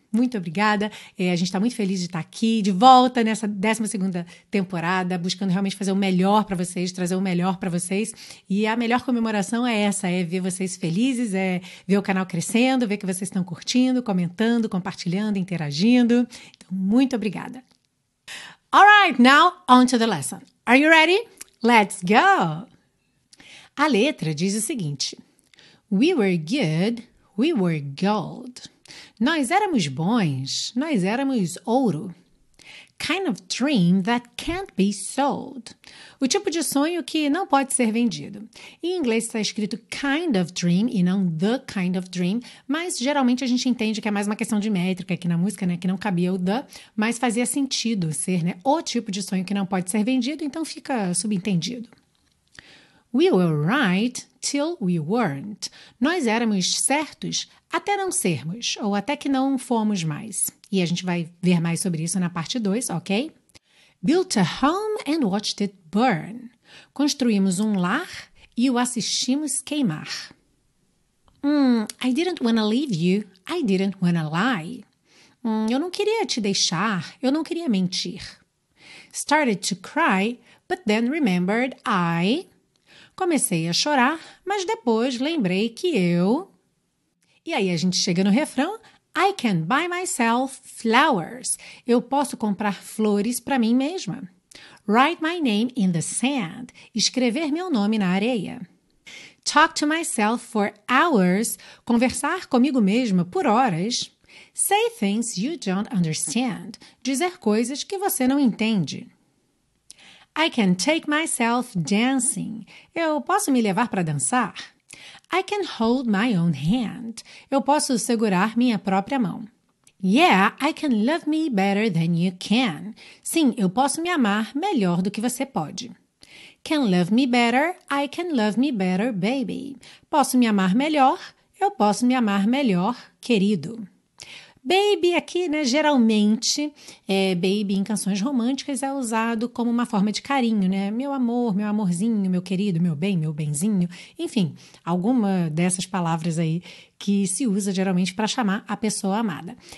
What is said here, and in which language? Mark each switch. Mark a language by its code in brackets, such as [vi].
[pt] Muito obrigada, a gente está muito feliz de estar aqui, de volta nessa 12ª temporada, buscando realmente fazer o melhor para vocês, trazer o melhor para vocês, e a melhor comemoração é essa, é ver vocês felizes, é ver o canal crescendo, ver que vocês estão curtindo, comentando, compartilhando, interagindo. Então, muito obrigada. [en] All right, now on to the lesson. Are you ready? Let's go! [pt] A letra diz o seguinte: [en] we were good, we were gold. [pt] Nós éramos bons, nós éramos ouro. [en] Kind of dream that can't be sold. [pt] O tipo de sonho que não pode ser vendido. Em inglês está escrito kind of dream e não [en] the kind of dream, [pt] mas geralmente a gente entende que é mais uma questão de métrica aqui na música, né? Que não cabia o the, mas fazia sentido ser, né? O tipo de sonho que não pode ser vendido, então fica subentendido. [en] We were right till we weren't. [pt] Nós éramos certos até não sermos, ou até que não fomos mais. E a gente vai ver mais sobre isso na parte 2, ok? [en] Built a home and watched it burn. [pt] Construímos um lar e o assistimos queimar. [en] I didn't wanna leave you. I didn't wanna lie. [pt] Eu não queria te deixar. Eu não queria mentir. [en] Started to cry, but then remembered I... [pt] Comecei a chorar, mas depois lembrei que eu... E aí a gente chega no refrão, [en] I can buy myself flowers. [pt] Eu posso comprar flores para mim mesma. [en] Write my name in the sand. [pt] Escrever meu nome na areia. [en] Talk to myself for hours. [pt] Conversar comigo mesma por horas. [en] Say things you don't understand. [pt] Dizer coisas que você não entende. [en] I can take myself dancing. [pt] Eu posso me levar para dançar. [en] I can hold my own hand. [pt] Eu posso segurar minha própria mão. [en] Yeah, I can love me better than you can. [pt] Sim, eu posso me amar melhor do que você pode. [en] Can love me better? I can love me better, baby. [pt] Posso me amar melhor? Eu posso me amar melhor, querido. Baby aqui, né, geralmente, baby em canções românticas é usado como uma forma de carinho, né? Meu amor, meu amorzinho, meu querido, meu bem, meu benzinho. Enfim, alguma dessas palavras aí que se usa geralmente para chamar a pessoa amada.